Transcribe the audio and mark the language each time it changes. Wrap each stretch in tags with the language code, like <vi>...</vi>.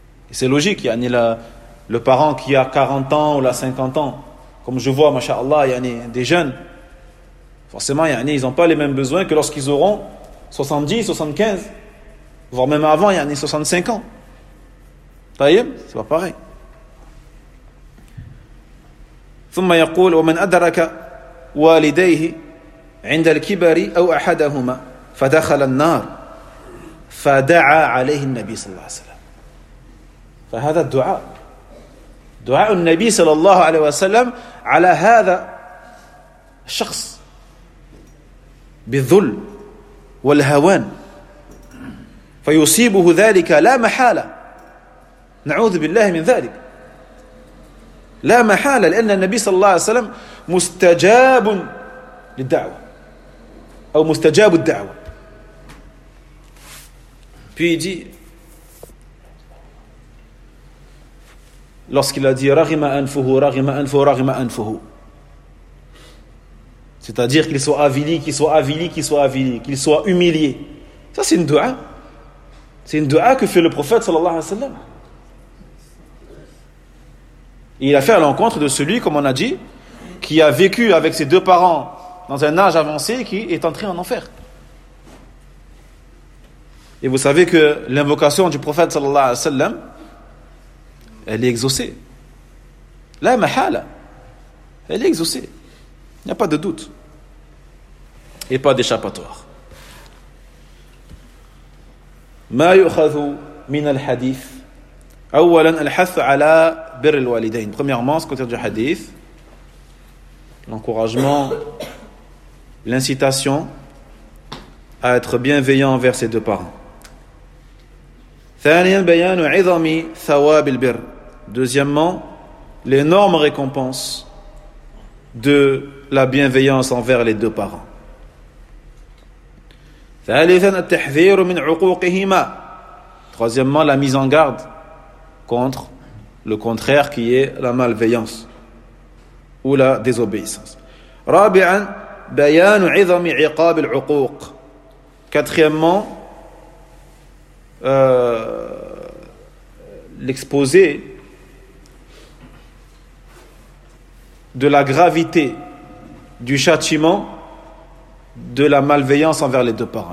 <fr>Et c'est logique, yani le parent qui a 40 ans ou 50 ans, comme je vois, mashallah, yani des jeunes, forcément, yani ils n'ont pas les mêmes besoins que lorsqu'ils auront 70, 75, voire même avant, yani 65 ans. Taïm, c'est pas pareil.</fr> <ar>ثم يقول ومن أدرك والديه عند الكبر أو أحدهما فدخل النار فدعا عليه النبي صلى الله عليه وسلم فهذا الدعاء دعاء النبي صلى الله عليه وسلم على هذا الشخص بالذل والهوان فيصيبه ذلك لا محالة نعوذ بالله من ذلك لا محالة لأن النبي صلى الله عليه وسلم مستجاب للدعوة أو مستجاب الدعوة.</ar> <fr>Puis il dit, lorsqu'il a dit</fr> <ar>رغم أنفه رغم أنفه رغم أنفه,</ar> <fr>c'est-à-dire qu'il soit avili, qu'il soit avili, qu'il soit avili, qu'il soit humilié. Ça c'est une dua. C'est une dua que fait le prophète صلى الله عليه وسلم. Et il a fait à l'encontre de celui, comme on a dit, qui a vécu avec ses deux parents dans un âge avancé et qui est entré en enfer. Et vous savez que l'invocation du prophète, sallallahu alayhi wa sallam, elle est exaucée.</fr> <ar>La mahala,</ar> <fr>elle est exaucée. Il n'y a pas de doute. Et pas d'échappatoire.</fr> <ar>Ma yukhadhu min al-hadith. أولا الحث على بر الوالدين.</ar> <fr>Premièrement, ce qu'on tire du hadith, l'encouragement, l'incitation à être bienveillant envers ses deux parents.</fr> <ar>ثانيا بيان عظم ثواب البر.</ar> <fr>Deuxièmement, l'énorme récompense de la bienveillance envers les deux parents.</fr> <ar>ثالثا التحذير من عقوقهما.</ar> <fr>Troisièmement, la mise en garde contre le contraire qui est la malveillance ou la désobéissance.</fr> <ar>Rabi'an bayan 'idami 'iqab al-'uquq.</ar> <fr>Quatrièmement, l'exposé de la gravité du châtiment de la malveillance envers les deux parents.</fr>